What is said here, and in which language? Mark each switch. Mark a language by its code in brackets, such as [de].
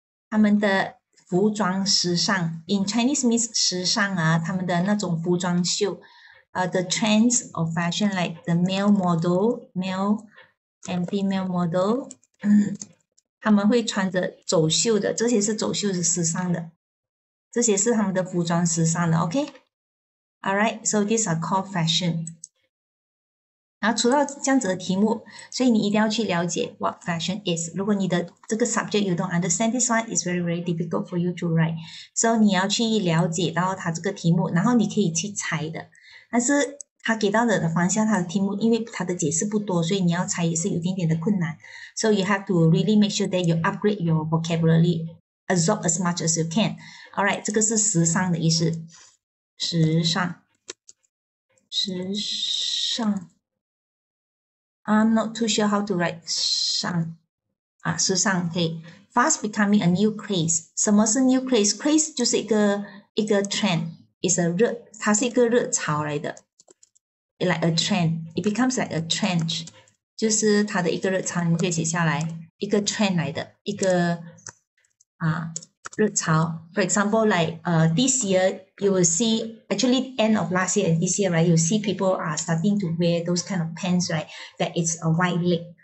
[zh] 他们的 服装时尚, [en] in Chinese means [zh] 时尚啊, 他们的那种服装秀, [en] the trends of fashion, like the male model, male and female model, [zh] 他们会穿着走秀的, 这些是走秀的时尚的, 这些是他们的服装时尚的, okay? [en] Alright, so these are called fashion. [zh] 然后除了这样子的题目, 所以你一定要去了解 [en] what fashion is. [zh] 如果你的这个 [en] subject you don't understand this one, it's very, very difficult for you to write. [zh] So 你要去了解到它这个题目, 然后你可以去猜的。但是它给到的方向, 它的题目, 因为它的解释不多, 所以你要猜也是有点点的困难。 [en] So you have to really make sure that you upgrade your vocabulary, absorb as much as you can. [zh] Alright, 这个是时尚的意思。时尚, 时尚。 [en] I'm not too sure how to write 上, 啊, 时尚, okay. Fast becoming a new craze. [zh] 什么是 [en] new craze? Craze 就是一个 trend. It's a [zh] 热, 它是一个热潮来的. [en] Like a trend. It becomes like a trend. [zh] 就是它的一个热潮, 你们可以写下来, 一个 trend 来的, 一个, 啊, 热潮. [en] For example, like this year, you will see, actually end of last year and this year, right, you see people are starting to wear those kind of pants, right, that it's a wide leg.